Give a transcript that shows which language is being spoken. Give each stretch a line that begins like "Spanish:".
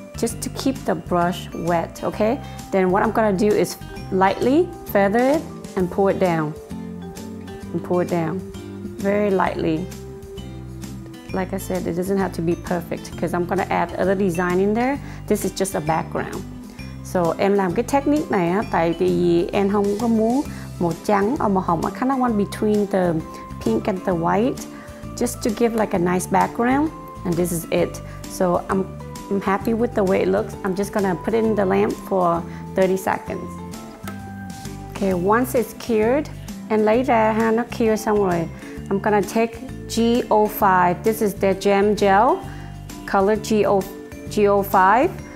English: just to keep the brush wet, okay? Then what I'm gonna do is lightly feather it and pull it down. And pull it down, very lightly. Like I said, it doesn't have to be perfect because I'm gonna add other design in there. This is just a background.
Vietnamese: So em làm cái technique này á, tại vì em không có muốn màu trắng ở màu hồng.
English: I kind of want between the pink and the white, just to give like a nice background. And this is it. So I'm happy with the way it looks. I'm just gonna put it in the lamp for 30 seconds. Okay, once it's cured, and later ha,
Vietnamese: nó cure xong rồi,
English: I'm gonna take G05. This is the gem gel, color G05.